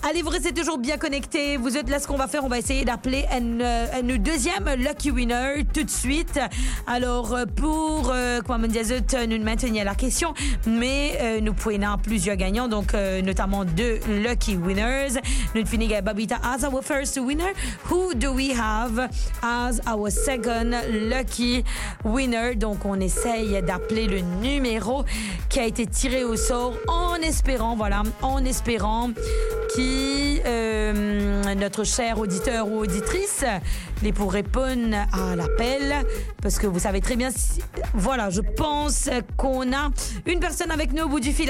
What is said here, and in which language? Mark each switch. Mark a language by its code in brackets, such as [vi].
[fr] Allez, vous restez toujours bien connectés. Vous êtes là, ce qu'on va faire, on va essayer d'appeler une deuxième lucky winner tout de suite. Alors, pour, comment dire, nous maintenir la question, mais nous pouvons avoir plusieurs gagnants, donc notamment deux lucky winners. Nous finissons avec [en] Babita as our first winner. Who do we have as our second lucky winner? [fr] Donc, on essaye d'appeler le numéro qui a été tiré au sort en espérant, voilà, en espérant que notre cher auditeur ou auditrice les pour répondre à l'appel. Parce que vous savez très bien, si, voilà, je pense qu'on a une personne avec nous au bout du fil.